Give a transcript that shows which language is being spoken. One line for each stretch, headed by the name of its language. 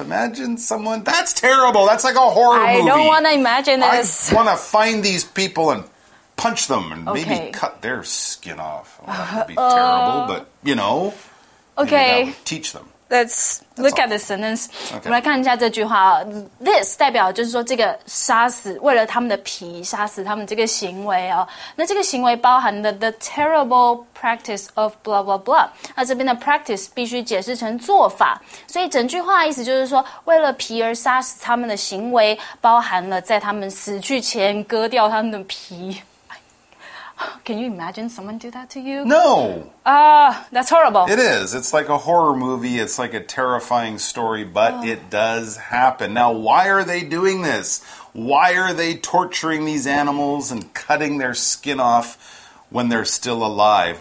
English: Imagine someone... That's terrible! That's like a horror movie! I don't want to imagine this! I want to find these people and punch them and maybe cut their skin off. Well, that would be terrible, but, you know, maybe that would teach them. Let's look at the sentence.
Chinese: Okay. 我们来看一下这句话。 This 代表就是说这个杀死，为了他们的皮杀死他们这个行为哦。那这个行为包含的
English: the terrible practice of blah blah blah。
Chinese: 那这边的 practice 必须解释成做法。所以整句话意思就是说，为了皮而杀死他们的行为，包含了在他们死去前割掉他们的皮。
English: Can you imagine someone do that to you? No! That's horrible. It is. It's like a horror movie. It's like a terrifying story, but it does happen. Now, why are they doing this? Why are they torturing these animals and cutting their skin off when they're still alive?